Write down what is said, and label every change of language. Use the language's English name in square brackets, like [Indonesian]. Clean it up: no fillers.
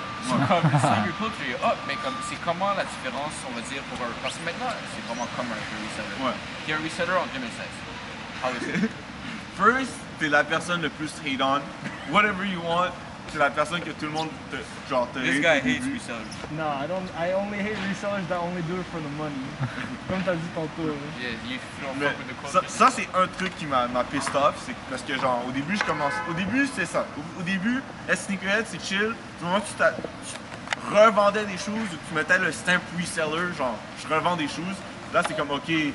[French] C'est comme le sneaker culture, mais comme, c'est comment la différence, on va dire, pour... Parce que maintenant, c'est vraiment comme un reseller. Ouais. Qui est un reseller en 2016. First, t'es la personne le plus [English] hate on. Whatever you want, [French] t'es la personne que tout le monde te genre te [English] This hate. This guy hates resellers. Nah, no, I only hate resellers that only do it for the money. [French] Comme t'as dit tantôt. [English] Yeah, you throw [French] mais [English] up with the culture. [French] Ça c'est un truc qui m'a [English] pissed off, [French] c'est parce que genre au début je commence. Au début c'est ça. Au début, être sneakerhead c'est chill. Du moment que tu revendais des choses ou tu mettais le stamp reseller, genre je revends des choses, là c'est comme ok.